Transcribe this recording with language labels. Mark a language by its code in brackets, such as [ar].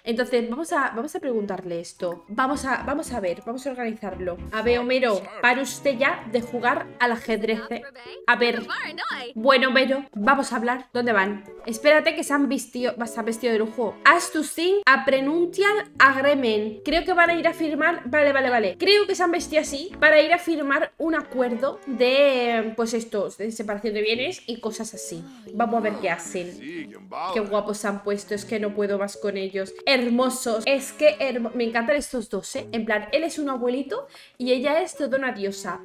[es] Entonces, vamos a preguntarle esto. Vamos a organizarlo. A ver, Homero, ¿para usted ya de jugar al ajedrez? A ver. Bueno, Homero, vamos a hablar. ¿Dónde van? Espérate, que se han vestido. Se han vestido de lujo. [en] Has to sing a prenuptial agreement. [es] Creo que van a ir a firmar. Vale. Creo que se han vestido así para ir a firmar un acuerdo de, pues esto, de separación de bienes y cosas así. Vamos a ver qué hacen. Qué guapos se han puesto. Es que no puedo más con ellos. Hermosos. Es que me encantan estos dos, ¿eh? En plan, él es un abuelito y ella es toda una diosa.